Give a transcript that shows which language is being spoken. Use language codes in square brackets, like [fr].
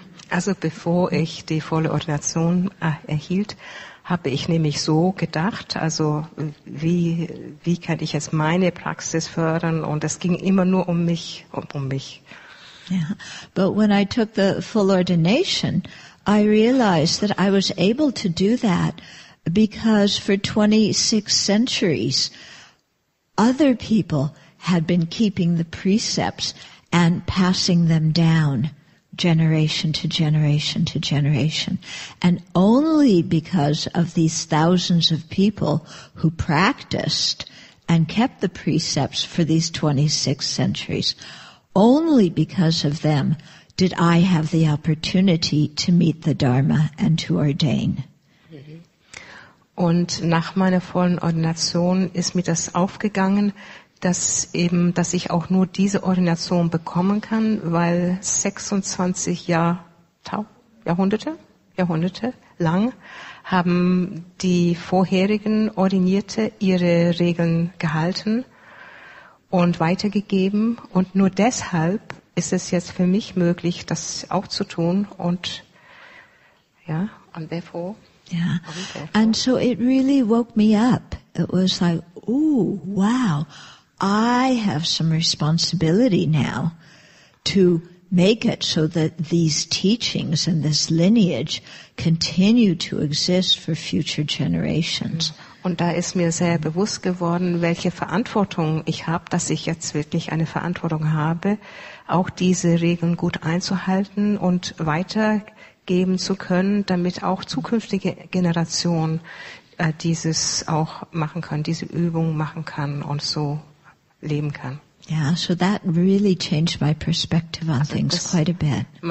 [de] Also bevor ich die volle Ordination erhielt, habe ich nämlich so gedacht, also wie kann ich jetzt meine Praxis fördern, und es ging immer nur um mich. [en] Yeah. But when I took the full ordination, I realized that I was able to do that because for 26 centuries other people had been keeping the precepts and passing them down generation to generation to generation. And only because of these thousands of people who practiced and kept the precepts for these 26 centuries, only because of them did I have the opportunity to meet the Dharma and to ordain. [de] Und nach meiner vollen Ordination ist mir das aufgegangen, dass ich auch nur diese Ordination bekommen kann, weil 26 Jahrhunderte lang haben die vorherigen Ordinierte ihre Regeln gehalten und weitergegeben. Und nur deshalb ist es jetzt für mich möglich, das auch zu tun. Und ja, und [en] therefore. Yeah, and so it really woke me up. It was like, oh, wow, I have some responsibility now to make it so that these teachings and this lineage continue to exist for future generations. [de] Und da ist mir sehr bewusst geworden, welche Verantwortung ich habe, dass ich jetzt wirklich eine Verantwortung habe, auch diese Regeln gut einzuhalten und weitergeben zu können, damit auch zukünftige Generationen dieses auch machen können, diese Übung machen kann und so leben kann. [en] Yeah, so that really changed my perspective on things quite a bit.